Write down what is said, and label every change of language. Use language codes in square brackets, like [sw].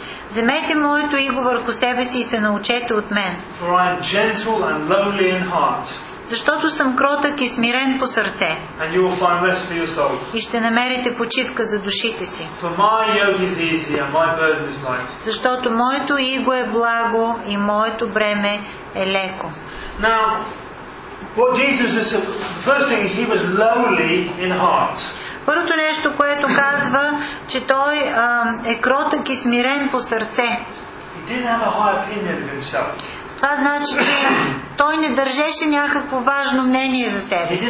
[bg] Вземете моето иго върху себе си и се научете от мен. [en] For I am gentle and lowly in heart. [bg] Защото съм кротък и смирен по сърце. [en] And you will find rest for your soul. [bg] И ще намерите почивка за душите си. [en] For my yoke is easy and my burden is light. [bg] Защото моето иго е благо и моето бреме е леко. [en] Now, what Jesus is, first thing, he was lowly in heart. [bg] Първото нещо, което казва, че той е кротък и смирен по сърце. [en] He didn't have a high opinion of himself. [bg] Това значи, че той не държеше някакво важно мнение за себе.